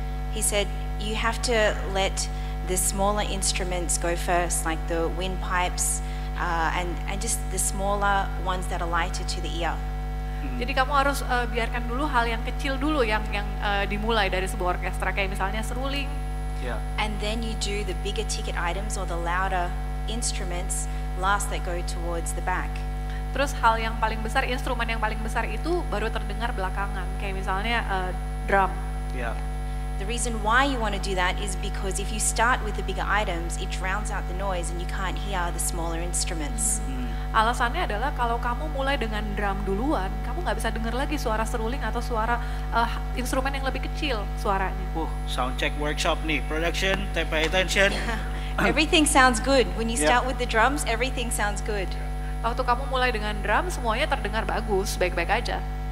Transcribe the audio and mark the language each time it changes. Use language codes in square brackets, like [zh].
[en] He said you have to let the smaller instruments go first, like the windpipes and just the smaller ones that are lighter to the ear. [id] Jadi kamu harus biarkan dulu hal yang kecil dulu yang dimulai dari sebuah orkestra, kayak misalnya seruling. [en] Yeah. And then you do the bigger ticket items or the louder instruments last that go towards the back. [id] Terus hal yang paling besar, instrumen yang paling besar itu baru terdengar belakangan, kayak misalnya drum. [en] Yeah. The reason why you want to do that is because if you start with the bigger items, it drowns out the noise and you can't hear the smaller instruments. [id] Alasannya adalah kalau kamu mulai dengan drum duluan, kamu nggak bisa dengar lagi suara seruling atau suara instrumen yang lebih kecil suaranya. [en] Sound check workshop nih, production, take my attention. Everything sounds good when you start with the drums. Everything sounds good. [id] Waktu kamu mulai dengan drum, semuanya terdengar bagus, baik-baik aja.